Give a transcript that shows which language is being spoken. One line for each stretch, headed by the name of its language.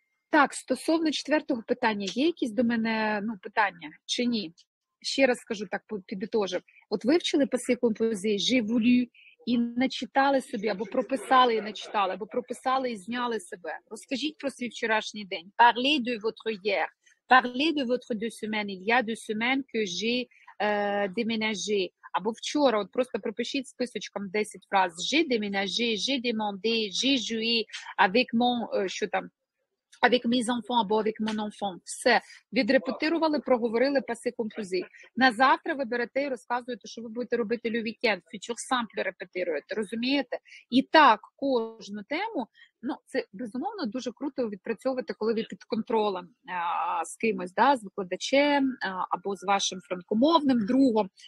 Ukrainian: Так, стосовно четвертого питання, є якісь до мене, ну, питання чи ні? Ще раз скажу, так, підбитожив. От вивчили паси композиції «Живулі» і начитали собі, або прописали і начитали, або прописали і зняли себе. Розкажіть про свій вчорашній день.
French: Parlez de votre hier. Parlez de votre deux semaines. Il y a deux semaines que j'ai déménagé.
Ukrainian: Або вчора, от просто пропишіть списочком 10 фраз.
French: J'ai déménagé, j'ai demandé, j'ai joué avec mon,
Ukrainian: що там,
French: avec mes enfants або avec mon enfant.
Ukrainian: Все. Відрепетирували, проговорили паси компози. На завтра ви берете і розказуєте, що ви будете робити le weekend. Фючур сампли репетируєте. Розумієте? І так, кожну тему, ну, це, безумовно, дуже круто відпрацьовувати, коли ви під контролем з кимось, да, з викладачем або з вашим франкомовним другом.